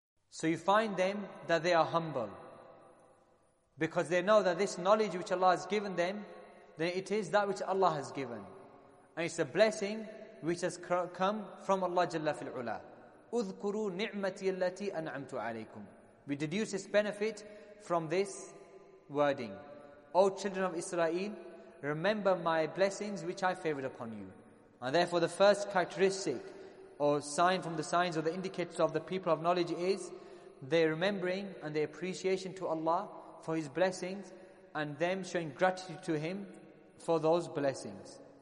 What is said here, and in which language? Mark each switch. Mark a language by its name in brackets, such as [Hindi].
[English] So you find them that they are humble, because they know that this knowledge which Allah has given them, then it is that which Allah has given. And it's a blessing which has come from Allah Jalla fil Ula. [Arabic] اذكروا نعمتي التي أنعمت عليكم. [English] We deduce this benefit from this wording. O children of Israel, remember my blessings which I favored upon you. And therefore the first characteristic or sign from the signs or the indicators of the people of knowledge is their remembering and their appreciation to Allah for His blessings and them showing gratitude to Him for those blessings.